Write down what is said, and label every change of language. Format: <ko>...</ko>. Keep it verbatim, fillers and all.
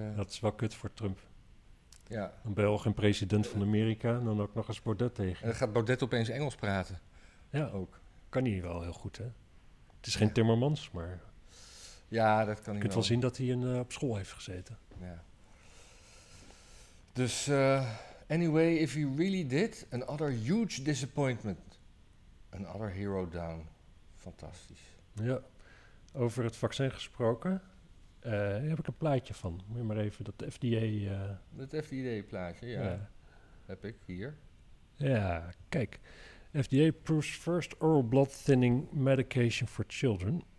<nl>dat is wel kut voor Trump. Ja. Dan ben je al geen president van Amerika en dan ook nog eens Baudet tegen. En dan gaat Baudet opeens Engels praten. Ja, ook. Kan hij wel heel goed, hè? Het is geen ja. Timmermans, maar... Ja, dat kan je hij kunt wel. wel zien dat hij een, uh, op school heeft gezeten. Ja. Dus,</nl> <en>uh, anyway, if he really did, another huge disappointment. Another hero down.</en> <nl>Fantastisch. Ja, over het vaccin gesproken. Uh, daar heb ik een plaatje van. Moet je maar even dat F D A... Uh, dat F D A-plaatje, ja. ja. Heb ik hier. Ja, kijk.</nl> <en>F D A proves first oral blood thinning medication for children.</en>